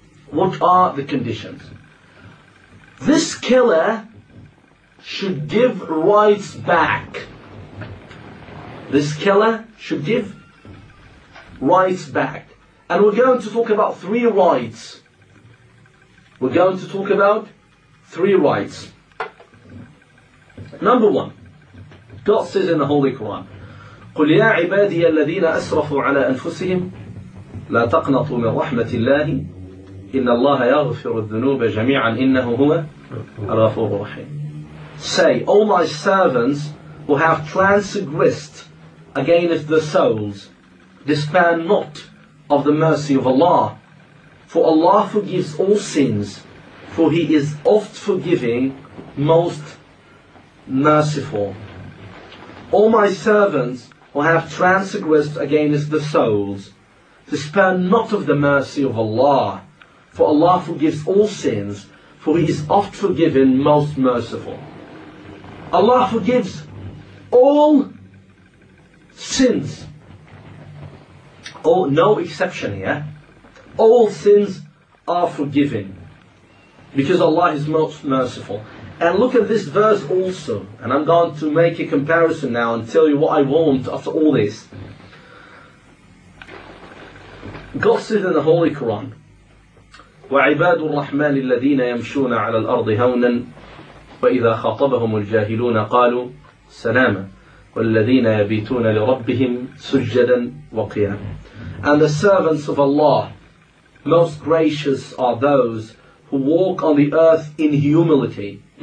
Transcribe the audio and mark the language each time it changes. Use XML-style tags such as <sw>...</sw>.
<en>What are the conditions? This killer should give rights back. This killer should give rights back. And we're going to talk about three rights. We're going to talk about three rights. Number one, God says in the Holy Quran,</en> <ar>قُلْ يَا عِبَادِيَ الَّذِينَ أَسْرَفُوا عَلَىٰ أَنفُسِهِمْ لَا تَقْنَطُوا مِنْ رَحْمَةِ اللَّهِ إِنَّ اللَّهَ يَغْفِرُ الذُّنُوبَ جَمِيعًا إِنَّهُ هُوَ الْغَفُورُ الرَّحِيمُ.</ar> <en>Say, O my servants who have transgressed against the souls, despair not of the mercy of Allah. For Allah forgives all sins, for He is oft forgiving, most merciful. O my servants who have transgressed against the souls, despair not of the mercy of Allah. For Allah forgives all sins, for He is oft forgiven, most merciful. Allah forgives all sins. Oh, no exception here. All sins are forgiven, because Allah is most merciful. And look at this verse also. And I'm going to make a comparison now and tell you what I want after all this. God says in the Holy Quran,</en> <ar>وَعِبَادُ الرَّحْمَنِ الَّذِينَ يَمْشُونَ عَلَى الْأَرْضِ هَوْنًا وَإِذَا خَطَبَهُمُ الْجَاهِلُونَ قَالُوا سَلَامًا وَالَّذِينَ يَبِيتُونَ لِرَبِّهِمْ سُجَّدًا وَقِيَامًا.</ar> <en>And the servants of Allah, most gracious are those who walk on the earth in humility.</en>